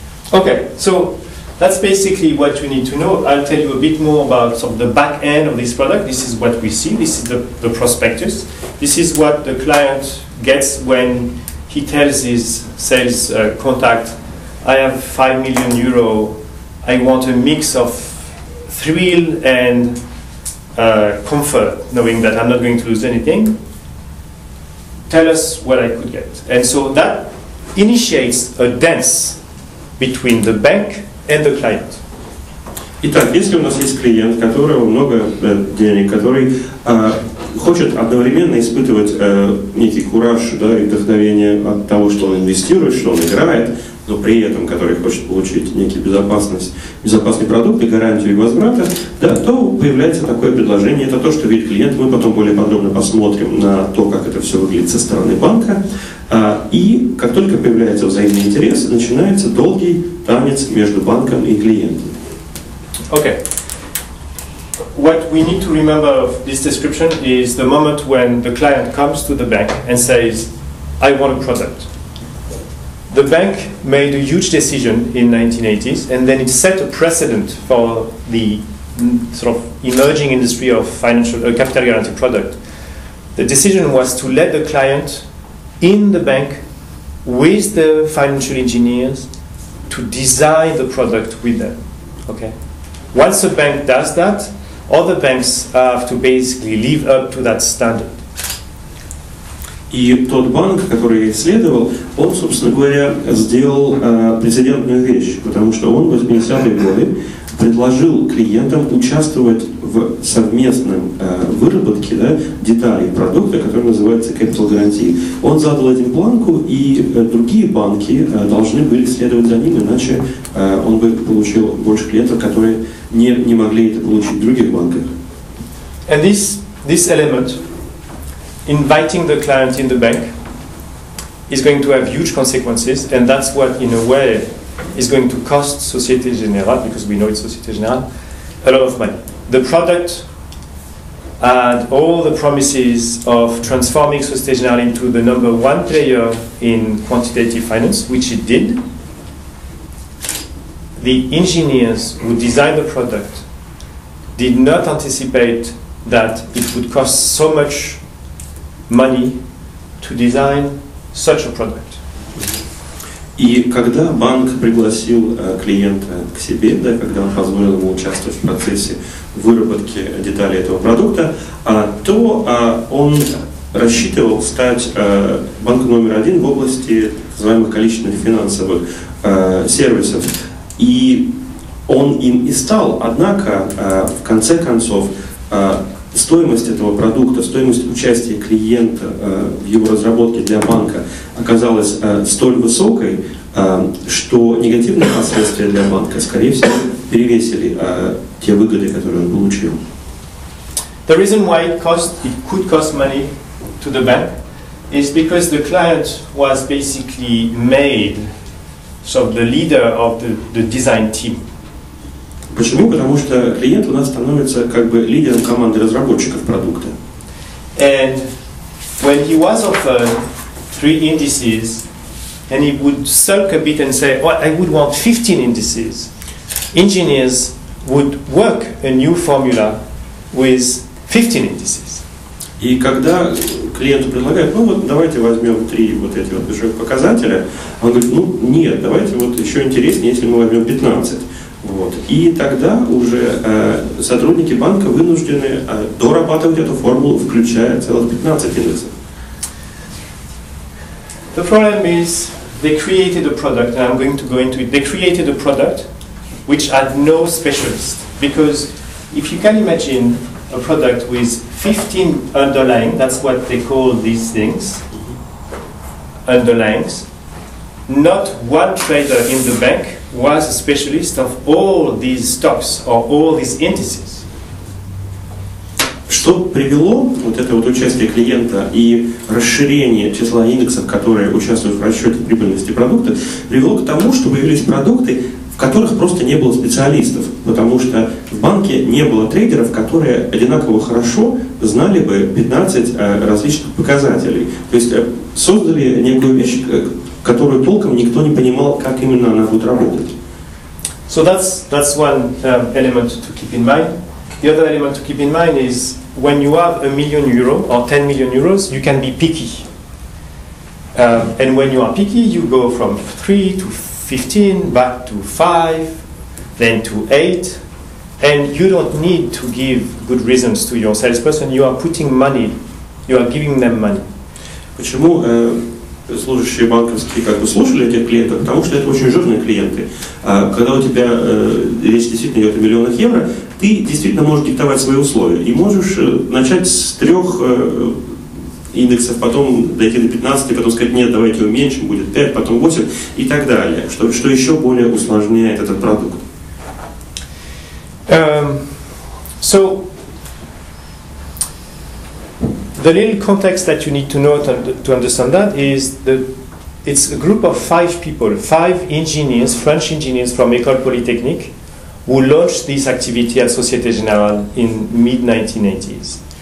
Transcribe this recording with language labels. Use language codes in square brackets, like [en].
[en] Okay, so that's basically what you need to know. I'll tell you a bit more about some of the back end of this product. This is what we see. This is the prospectus. This is what the client gets when he tells his sales contact, I have 5 million euro. I want a mix of thrill and comfort, knowing that I'm not going to lose anything. Tell us what I could get. And so that initiates a dance between the bank and the client. [ru] Итак, если у нас есть клиент, которого много денег, который хочет одновременно испытывать некий кураж, да, и вдохновение от того, что он инвестирует, что он играет, но при этом который хочет получить некий безопасный продукт и гарантию возврата, да, то появляется такое предложение. Это то, что видит клиент. Мы потом более подробно посмотрим на то, как это все выглядит со стороны банка. И как только появляется взаимный интерес, начинается долгий танец между банком и клиентом. [en] Okay. What we need to remember of this description is the moment when the client comes to the bank and says, I want a product. The bank made a huge decision in 1980s, and then it set a precedent for the sort of emerging industry of financial capital guarantee product. The decision was to let the client in the bank with the financial engineers to design the product with them. Okay. Once a bank does that, other banks have to basically live up to that standard. [ru] И тот банк, который я исследовал, он, собственно говоря, сделал прецедентную вещь, потому что он в 80-е годы предложил клиентам участвовать в совместном выработке, да, деталей продукта, который называется capital guarantee. Он задал этим планку, и другие банки должны были следовать за ним, иначе он бы получил больше клиентов, которые не могли это получить в других банках. [en] And this element, inviting the client in the bank, is going to have huge consequences, and that's what, in a way, is going to cost Société Générale, because we know it's Société Générale, a lot of money. The product and all the promises of transforming Société Générale into the number one player in quantitative finance, which it did, the engineers who designed the product did not anticipate that it would cost so much money to design such a product. [ru] И когда банк пригласил клиента к себе, да, когда он позволил ему участвовать в процессе выработки деталей этого продукта, то он рассчитывал стать банком номер один в области так называемых количественных финансовых сервисов. И он им и стал. Однако, в конце концов, стоимость этого продукта, стоимость участия клиента в его разработке для банка оказалась столь высокой, что негативные последствия для банка, скорее всего, перевесили те выгоды, которые он получил. [en] The reason why it could cost money to the bank is because the client was basically made sort of the leader of the design team. [ru] Почему? Потому что клиент у нас становится как бы лидером команды разработчиков продукта. [en] And when he was offered three indices, and he would sulk a bit and say, well, I would want 15 indices, engineers would work a new formula with 15 indices. [ru] И когда клиенту предлагают, ну вот давайте возьмем три вот эти вот большие показателя, он говорит, ну нет, давайте вот еще интереснее, если мы возьмем 15. Вот. И тогда уже сотрудники банка вынуждены дорабатывать эту формулу, включая целых 15 индексов. [en] The problem is they created a product, and I'm going to go into it. They created a product which had no specialist. Because if you can imagine a product with 15 underlying, that's what they call these things, underlyings, not one trader in the bank was a specialist of all these stocks or all these indices. [ru] Что привело вот это вот участие клиента и расширение числа индексов, которые участвуют в расчете прибыльности продукта, привело к тому, что появились продукты, в которых просто не было специалистов, потому что в банке не было трейдеров, которые одинаково хорошо знали бы 15 различных показателей. То есть создали некую вещь, которую толком никто не понимал, как именно она будет работать. [en] So that's one element to keep in mind. The other element to keep in mind is when you have €1 million or €10 million, you can be picky. And when you are picky, you go from 3 to 15, back to 5, then to 8. And you don't need to give good reasons to your salesperson. You are putting money, you are giving them money. [ru] Почему служащие банковские как бы слушали этих клиентов? Потому что это очень жирные клиенты. Когда у тебя речь действительно идет о миллионах евро, ты действительно можешь диктовать свои условия. И можешь начать с трех индексов, потом дойти до 15, потом сказать, нет, давайте уменьшим, будет 5, потом 8 и так далее. Что еще более усложняет этот продукт? [en] So, the little context that you need to know to understand that is that it's a group of five people, five engineers, French engineers from École Polytechnique, who launched this activity at Société Générale in mid-1980s.